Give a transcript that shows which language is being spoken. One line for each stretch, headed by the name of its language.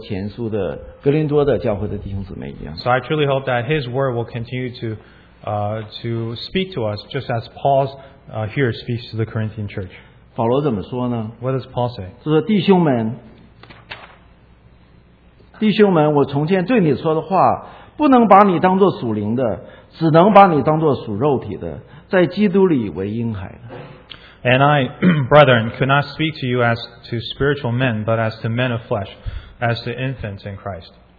Chinese: 那在保罗在第三章第一节那里面，他就同样的，像我也希望主的话经常来责备我们，就像保罗责备哥林多前书的教会的弟兄姊妹一样。
English: So I truly hope that His word will continue to speak to us, just as Paul's. Here speaks to the Corinthian church.
Chinese: 保罗怎么说呢?
English: What does Paul say?
Chinese: 就是弟兄们，我从前对你说的话，不能把你当作属灵的，只能把你当作属肉体的，在基督里为婴孩。
English: And I, brethren, could not speak to you as to spiritual men, but as to men of flesh, as to infants in Christ.